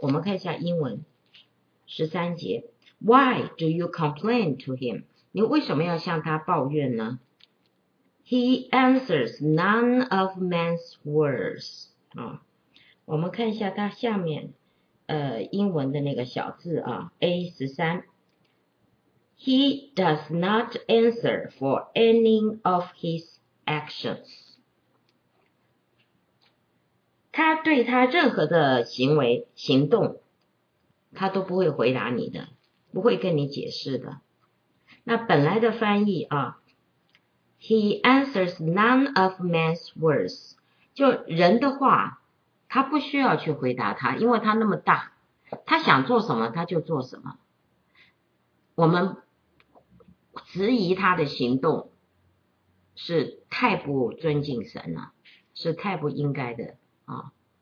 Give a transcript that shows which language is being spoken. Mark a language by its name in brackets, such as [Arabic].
[Chinese] 我们看一下英文，13节。 [English] Why do you complain to him? [Chinese] 你为什么要向他抱怨呢? [English] He answers none of man's words. [Chinese] 我们看一下他下面英文的那个小字啊 ,A13. [English] He does not answer for any of his actions. [Chinese] 他对他任何的行为行动他都不会回答你的。不会跟你解释的。那本来的翻译啊 , [English] He answers none of man's words, [Chinese] 就人的话他不需要去回答他，因为他那么大，他想做什么他就做什么。我们质疑他的行动是太不尊敬神了，是太不应该的啊。